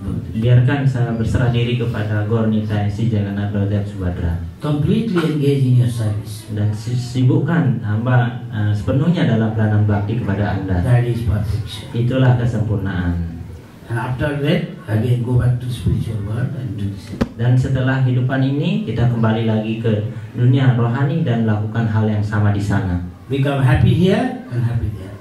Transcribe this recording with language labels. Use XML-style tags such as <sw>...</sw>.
<id>Brother. Biarkan saya berserah diri kepada Gornita si Jagannath Brother Subhadra.</id> <en>Completely engaging your service</en> <id>dan sibukkan hamba sepenuhnya dalam pelayanan bakti kepada Anda.</id> <en>That is perfection.</en> <id>Itulah kesempurnaan.</id> <en>And after that, again go back to spiritual world and do this.</en> <id>Dan setelah kehidupan ini, kita kembali lagi ke dunia rohani dan lakukan hal yang sama di sana.</id> <en>Become happy here and happy there.</en>